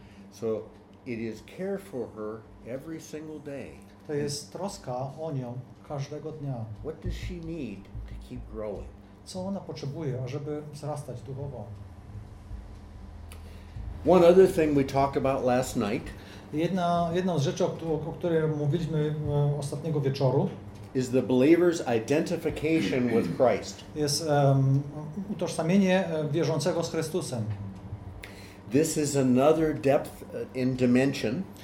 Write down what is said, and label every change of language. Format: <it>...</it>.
<en>So it is care for her every single day.</en> <pl>To jest troska o nią każdego dnia.</pl> <en>What does she need to keep growing?</en> <pl>Co ona potrzebuje, ażeby wzrastać duchowo?</pl> <en>One other thing we talked about last night.</en> <pl>Jedna z rzeczy, o której mówiliśmy ostatniego wieczoru,</pl> <en>is the believer's identification with Christ.</en> <pl>Jest utożsamienie wierzącego z Chrystusem.</pl> <en>This is another depth in dimension.</en>